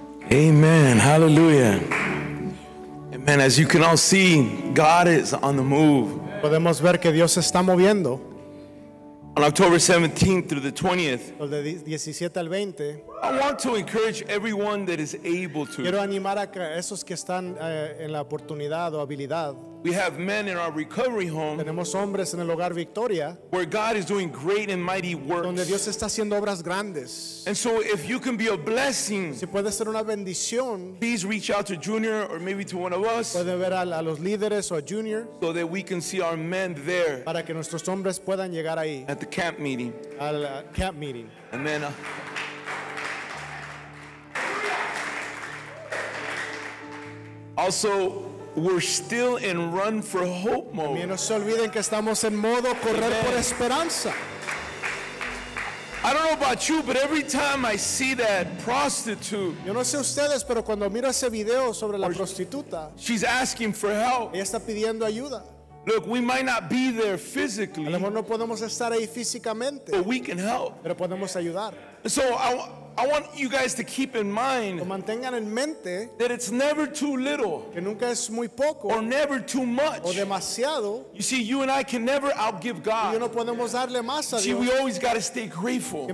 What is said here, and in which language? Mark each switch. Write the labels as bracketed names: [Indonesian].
[English] Amen. Hallelujah. And as you can all see, God is on the move. [Spanish] Podemos ver que Dios está moviendo. [English] On October 17th through the 20th, [Spanish] el 17 al 20, [English] I want to encourage everyone that is able to. [Spanish] Quiero animar a esos que están en la oportunidad o habilidad. [English] We have men in our recovery home. [Spanish] Tenemos hombres en el hogar Victoria. [English] Where God is doing great and mighty works. [Spanish] Donde Dios está haciendo obras grandes. [English] And so if you can be a blessing, [Spanish] si puede ser una bendición, [English] please reach out to Junior or maybe to one of us. [Spanish] Puede ver a los líderes o a Junior. [English] So that we can see our men there. [Spanish] Para que nuestros hombres puedan llegar ahí. [English] At the camp meeting. [Spanish] Al camp meeting. [English] Amen. Also, we're still in run for hope mode. [Spanish] También no se olviden que estamos en modo correr por esperanza. [English] I don't know about you, but every time I see that prostitute, [Spanish] yo no sé ustedes, pero cuando miro ese video sobre la prostituta, [English] she's asking for help. [Spanish] Ella está pidiendo ayuda. [English] Look, we might not be there physically, [Spanish] a lo mejor no podemos estar ahí físicamente, [English] but we can help. [Spanish] Pero podemos ayudar. [English] So I want you guys to keep in mind that it's never too little, [Spanish] que nunca es muy poco, [English] or never too much. [Spanish] O demasiado. [English] You see, you and I can never outgive God. [Spanish] Y no podemos darle más a Dios. [English] See, we always got to stay grateful.